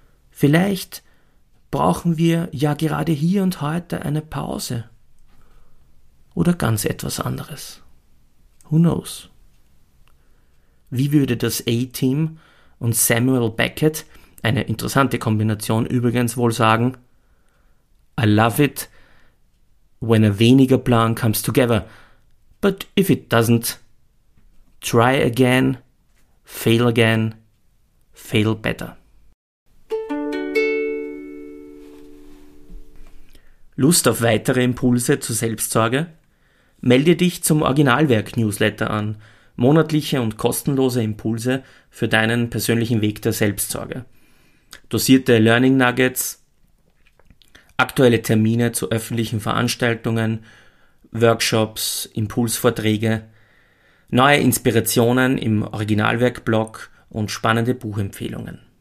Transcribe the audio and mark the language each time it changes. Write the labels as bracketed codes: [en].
[de] Vielleicht brauchen wir ja gerade hier und heute eine Pause oder ganz etwas anderes. Who knows? Wie würde das A-Team und Samuel Beckett, eine interessante Kombination übrigens, wohl sagen? [en] I love it when a weniger plan comes together, but if it doesn't, try again, fail again, fail better. [de] Lust auf weitere Impulse zur Selbstsorge? Melde dich zum Originalwerk-Newsletter an. Monatliche und kostenlose Impulse für deinen persönlichen Weg der Selbstsorge. Dosierte Learning Nuggets, aktuelle Termine zu öffentlichen Veranstaltungen, Workshops, Impulsvorträge, neue Inspirationen im Originalwerk-Blog und spannende Buchempfehlungen.